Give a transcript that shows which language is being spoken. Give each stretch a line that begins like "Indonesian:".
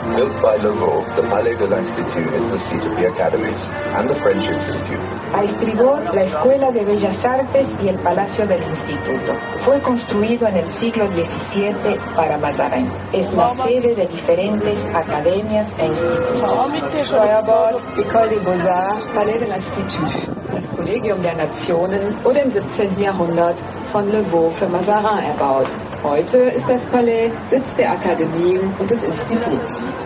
English: Built by Levaux, the Palais de l'Institut is the seat of the academies and the French Institute.
Spanish: A estribor, la Escuela de Bellas Artes y el Palacio del Instituto. Fue construido en el siglo XVII para Mazarin. Es la sede de diferentes academias e institutos.
German: Steuerbord, École des Beaux-Arts, Palais de l'Institut. Das Kollegium der Nationen wurde im 17. Jahrhundert von Levaux für Mazarin erbaut. Heute ist das Palais Sitz der Akademien und des Instituts.